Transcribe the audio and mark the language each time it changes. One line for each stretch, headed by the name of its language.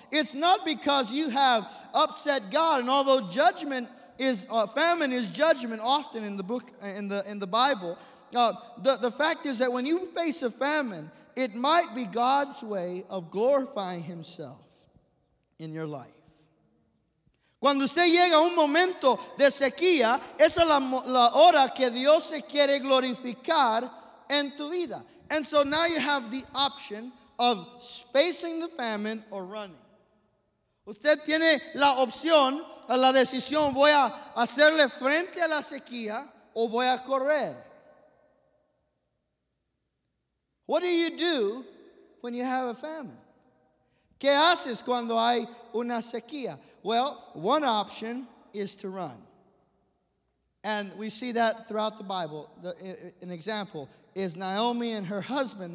English: It's not because you have upset God. And although famine is judgment often in the book, in the Bible, the fact is that when you face a famine, it might be God's way of glorifying himself in your life.
Spanish: Cuando usted llega a un momento de sequía, esa es la hora que Dios se quiere glorificar en tu vida.
English: And so now you have the option of facing the famine or running.
Spanish: Usted tiene la opción, la decisión, voy a hacerle frente a la sequía o voy a correr.
English: What do you do when you have a famine?
Spanish: ¿Qué haces cuando hay una sequía?
English: Well, one option is to run. And we see that throughout the Bible. An example is Naomi and her husband.